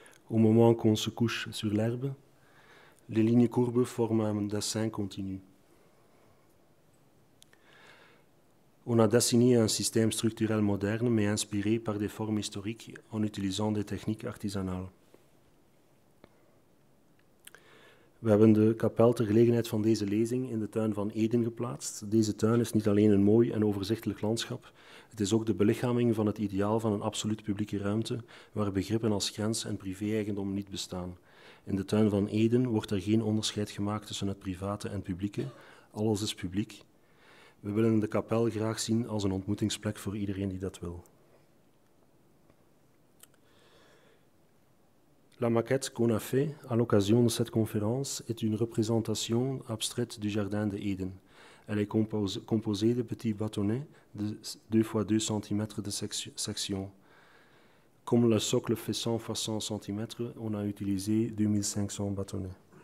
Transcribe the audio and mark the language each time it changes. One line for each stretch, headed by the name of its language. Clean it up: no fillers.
French: Au moment qu'on se couche sur l'herbe, les lignes courbes forment un dessin continu. On a dessiné un système structurel moderne, mais inspiré par des formes historiques en utilisant des techniques artisanales.
Dutch: We hebben de kapel ter gelegenheid van deze lezing in de tuin van Eden geplaatst. Deze tuin is niet alleen een mooi en overzichtelijk landschap, het is ook de belichaming van het ideaal van een absoluut publieke ruimte, waar begrippen als grens en privé-eigendom niet bestaan. In de tuin van Eden wordt er geen onderscheid gemaakt tussen het private en het publieke. Alles is publiek. We willen de kapel graag zien als een ontmoetingsplek voor iedereen die dat wil.
French: La maquette qu'on a fait à l'occasion de cette conférence est une représentation abstraite du jardin de Eden. Elle est composée de petits bâtonnets de 2x2 cm de section. Comme le socle fait 100x100 cm, on a utilisé 2500 bâtonnets.